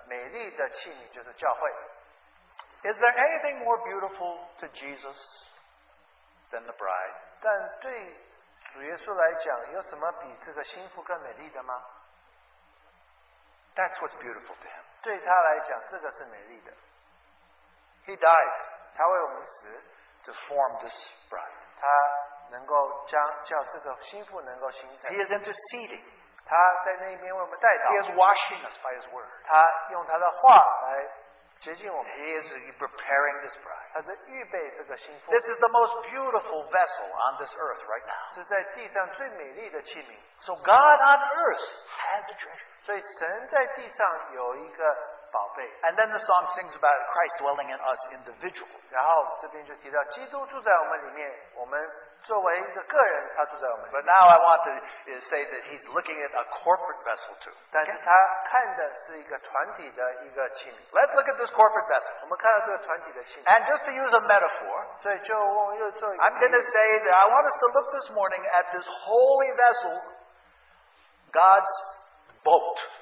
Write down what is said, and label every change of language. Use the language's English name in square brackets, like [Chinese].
[Chinese] 所以就是神这个美丽的器皿就是教会。 [English] Is there anything more beautiful to Jesus than the bride? [Chinese] 但对主耶稣来讲, 有什么比这个心腹更美丽的吗? [English] That's what's beautiful to Him. [Chinese] 对他来讲, 这个是美丽的。 [English] He died, [Chinese] 他为我们死, [English] to form this bride. [Chinese] 他能够将叫这个心腹能够形成。 [English] He is interceding. [Chinese] 他在那边为我们代祷。 [English] He is washing us by His word. [Chinese] 他用他的话来洁净我们。 [English] He is preparing this bride. [Chinese] 他在预备这个心腹。 [English] This is the most beautiful vessel on this earth right now. [Chinese] 是在地上最美丽的器皿。 [English] So God on earth has a treasure. [Chinese] 所以神在地上有一个宝贝。 [English] And then the song sings about Christ dwelling in us individually. [Chinese] 然后这边就提到基督住在我们里面，我们。作为一个个人, [English] but now I want to say that He's looking at a corporate vessel too. Okay? Let's look at this corporate vessel. And just to use a metaphor, I'm going to say that I want us to look this morning at this holy vessel, God's boat.